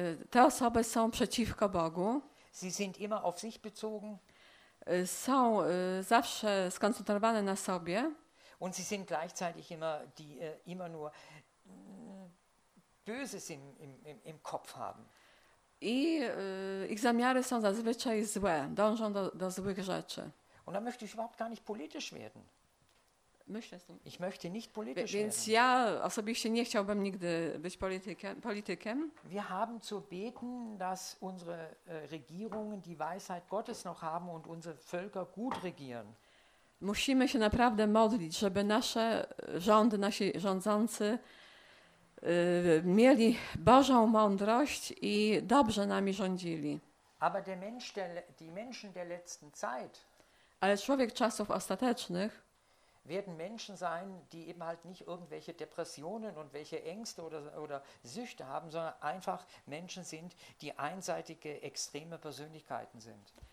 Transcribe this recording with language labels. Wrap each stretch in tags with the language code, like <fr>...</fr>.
<pl>Te osoby są przeciwko Bogu.</pl> <de>Sie sind immer auf sich bezogen.</de> <pl>Są zawsze skoncentrowane na sobie.</pl> <de>Und sie sind gleichzeitig immer die immer nur Böses im Kopf haben.</de> <pl>I ich zamiary są zazwyczaj złe, dążą do złych rzeczy.</pl> <de>Und da möchte ich überhaupt gar nicht politisch werden. Möchtest du? Ich möchte nicht politisch werden.</de> <pl>Więc ja osobiście nie chciałbym nigdy być politykiem.</pl> <de>Wir haben zu beten, dass unsere Regierungen die Weisheit Gottes noch haben und unsere Völker gut regieren.</de> <pl>Musimy się naprawdę modlić, żeby nasze rządy, nasi rządzący mieli Bożą mądrość i dobrze nami rządzili.</pl> <de>Aber der Mensch, die Menschen der letzten Zeit.</de> <pl>Ale człowiek czasów ostatecznych</pl> <de>werden Menschen sein, die eben halt nicht irgendwelche Depressionen und welche Ängste oder Süchte haben, sondern einfach Menschen sind, die einseitige extreme Persönlichkeiten sind.</de>